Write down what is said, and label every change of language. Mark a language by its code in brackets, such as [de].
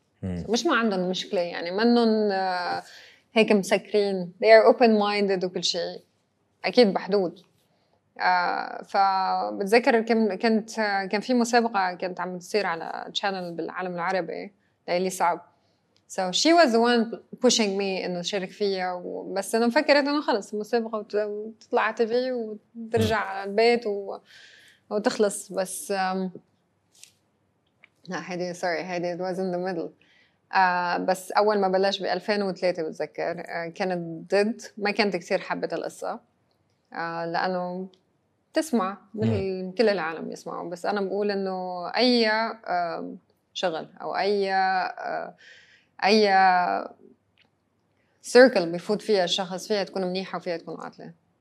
[ar] مش ما عندهم مشكله يعني منهم هيك مسكرين. [en] they are open minded [ar] وكل شيء اكيد بحدود. فبتذكر كان في مسابقه كانت عم تصير على تشانل بالعالم العربي ليلي صعب. [en] So she was the one pushing me [ar] إنه شارك فيها. بس أنا فكرت إنه خلص المسابقة وتطلع على TV وترجع على البيت وتخلص. بس هذه [en] it was in the middle. [ar] بس أول ما بلش ب2003 بتذكر كانت ضد، ما كانت كثير حبة القصة لأنه تسمع مثل كل العالم يسمعوا. بس أنا بقول إنه أي شغل أو أي سيركل بيفوت فيها الشخص فيها تكون منيحة وفيها تكون عاطلة.